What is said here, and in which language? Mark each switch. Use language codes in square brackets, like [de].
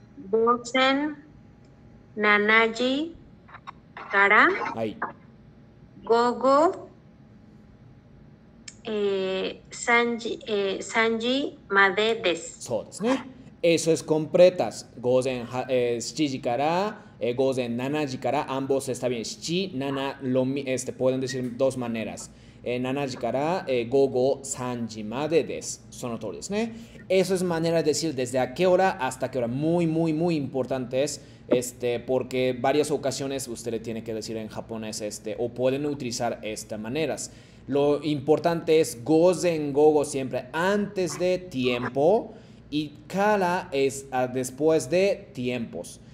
[ja] Gozen 7時からはい。午後3時までです。そうですね。 [es] Eso es completas. [ja] 午前7時から、午前7時から、 [es] ambos está bien. 7、7、pueden decir dos maneras. [ja] 7時から、午後3時までです。その通りですね。 [es] Eso es manera de decir desde a qué hora hasta qué hora. Muy, muy, muy importante es, porque varias ocasiones usted le tiene que decir en japonés o pueden utilizar estas maneras. Lo importante es gozen gogo siempre antes de tiempo y kara es después de tiempos.